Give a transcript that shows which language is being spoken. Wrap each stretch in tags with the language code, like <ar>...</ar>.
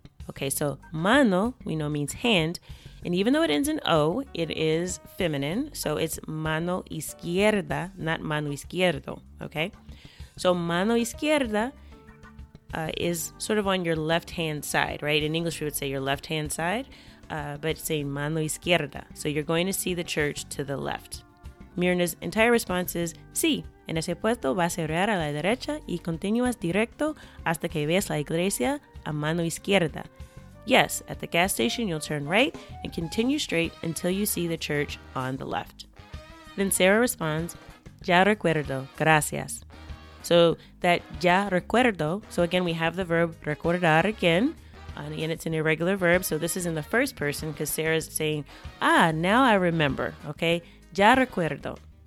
<en>Okay, so mano, we know means hand, and even though it ends in O, it is feminine, so it's mano izquierda, not mano izquierdo, okay? So mano izquierda is sort of on your left-hand side, right? In English, we would say your left-hand side, but it's saying mano izquierda, so you're going to see the church to the left.</en> <es>Mirna's entire response is, sí, en ese puesto vas a orar a la derecha y continúas directo hasta que veas la iglesia a mano izquierda.</es> <en>Yes, at the gas station you'll turn right and continue straight until you see the church on the left. Then Sarah responds, ya recuerdo, gracias. So that ya recuerdo, so again we have the verb recordar again, and it's an irregular verb, so this is in the first person because Sarah's saying, ah, now I remember, okay? Ya recuerdo.</en>